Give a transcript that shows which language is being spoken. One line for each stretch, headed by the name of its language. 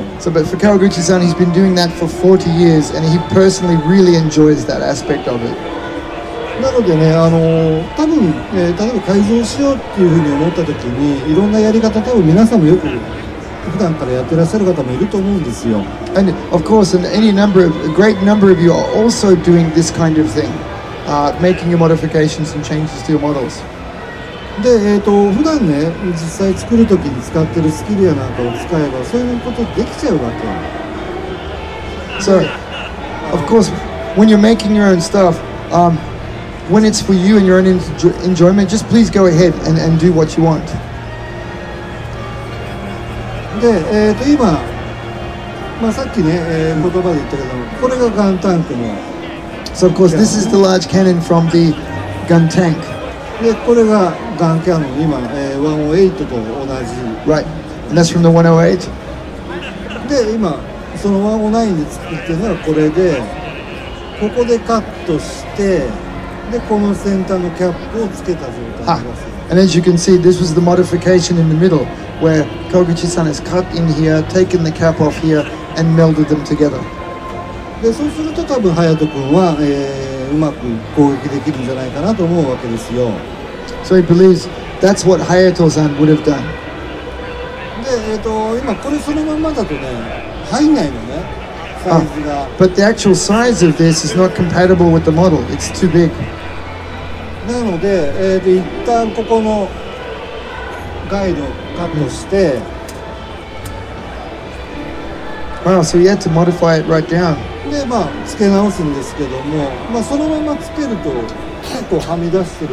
English: So, but for Kawaguchi-san, he's been doing that for 40 years, and he personally really enjoys that aspect of it.
Japanese: なのでね、多分、例えば改造しようっていうふうに思った時に、いろんなやり方多分皆さんもよく。普段からやってらっしゃる方もいると思うんですよ。
English: And of course, and any number of, a great number of you are also doing this kind of thing, making your modifications and changes to your models.
Japanese: で、普段ね、実際作るときに使ってるスキルやなんかを使えば、そういうことできちゃうわけ。
English: So, of course, when you're making your own stuff, when it's for you and your own enjoyment, just please go ahead and do what you want.
Japanese: で、今、まあ、さっきね、言葉で言ったけどこれがガンタンクの
English: So of course this is the large cannon from the gun tank
Japanese: で、これがガンキャノン今、108と同じ
English: Right, and that's from the 108?
Japanese: で、今、その109で作ってるのはこれでここでカットしてで、この先端のキャップをつけた状態です、
English: And as you can see, this was the modification in the middleWhere Kawaguchi-san has cut in here, taken the cap off here, and melded them together.
Japanese: で、そうすると多分ハヤト君は、うまく攻撃できるんじゃないかなと思うわけですよ。
English: So he believes that's what Hayato-san would have done.
Japanese: で、今これそのままだとね、入んないのね、サイズが。
English: But the actual size of this is not compatible with the model. It's too big.
Japanese: なので、一旦ここのガイドカットして
English: Wow, so you had to modify it right down.
Japanese: で、まあ、付け直すんですけども、まあ、そのまま付けると結構はみ出してる